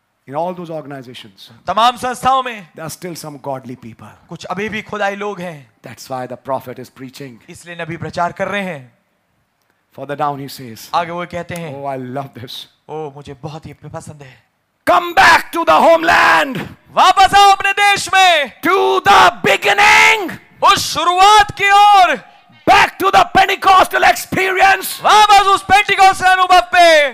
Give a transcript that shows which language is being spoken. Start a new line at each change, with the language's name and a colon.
English: In all those organizations,
Hindi: तमाम संस्थाओं में,
English: there are still some godly people.
Hindi: कुछ अभी भी खुदाई लोग हैं.
English: That's why the prophet is preaching.
Hindi: इसलिए नबी प्रचार कर रहे हैं.
English: For the down, he says.
Hindi: आगे वो कहते हैं.
English: Oh, I love this.
Hindi: Oh, मुझे बहुत ये पसंद है.
English: Come back to the homeland.
Hindi: वापस आओ अपने देश में.
English: To the beginning.
Hindi: उस शुरुआत की ओर.
English: Back to the Pentecostal experience.
Hindi: वापस उस पेंटिकॉस्टल अनुभव पे.